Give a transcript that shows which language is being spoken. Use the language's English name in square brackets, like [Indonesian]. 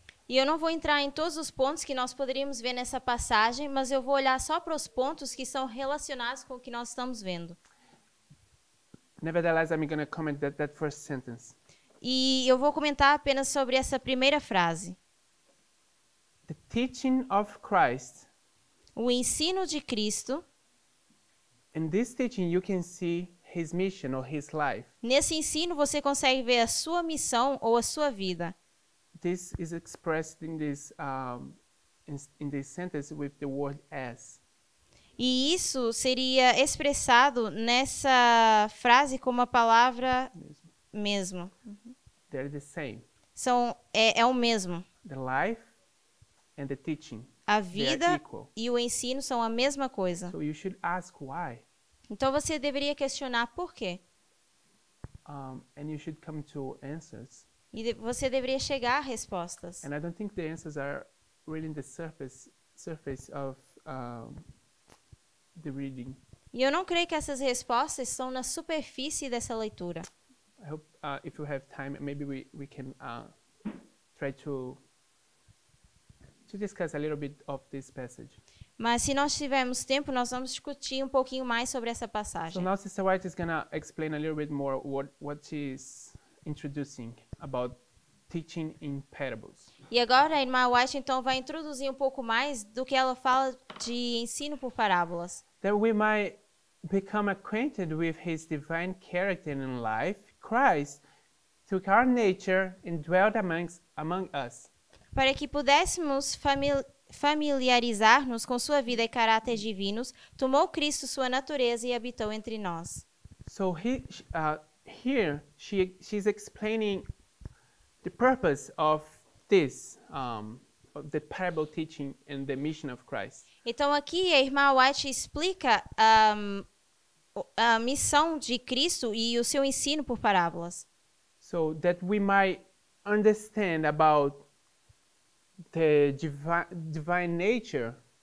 [Portuguese] E eu não vou entrar em todos os pontos que nós poderíamos ver nessa passagem, mas eu vou olhar só para os pontos que são relacionados com o que nós estamos vendo. [English] Nevertheless, I'm going to comment that first sentence. [Portuguese] E eu vou comentar apenas sobre essa primeira frase. [English] The teaching of Christ. [Portuguese] O ensino de Cristo. [English] In this teaching you can see his mission or his life. [Portuguese] Nesse ensino você consegue ver a sua missão ou a sua vida. [English] This is expressed in this in this sentence with the word as. [Portuguese] E isso seria expressado nessa frase com a palavra mesmo. [English] They're the same. [Portuguese] São é o mesmo. [English] The life and the teaching, [Portuguese] a vida e o ensino são a mesma coisa. [English] So you should ask why. [Portuguese] Então você deveria questionar por quê. [English] And you should come to answers. [Portuguese] E você deveria chegar a respostas. [English] And I don't think the answers are really in the surface of the reading. [Portuguese] E eu não creio que essas respostas estão na superfície dessa leitura. [English] I hope if you have time, maybe we can try to discuss a little bit of this passage. [Portuguese] Mas se nós tivermos tempo, nós vamos discutir um pouquinho mais sobre essa passagem. [English] So now Sister White is going to explain a little bit more what she is introducing about teaching in parables. [Portuguese] E agora a Irmã White então vai introduzir um pouco mais do que ela fala de ensino por parábolas. [English] That we might become acquainted with his divine character in life, Christ took our nature and dwelt among us. [Portuguese] Para que pudéssemos familiarizar-nos com sua vida e caráter divinos, tomou Cristo sua natureza e habitou entre nós. [English] So here she's explaining the purpose of this the parable teaching and the mission of Christ. [Portuguese] Então aqui a irmã White explica a missão de Cristo e o seu ensino por parábolas. [English] So that we might understand about the divine nature.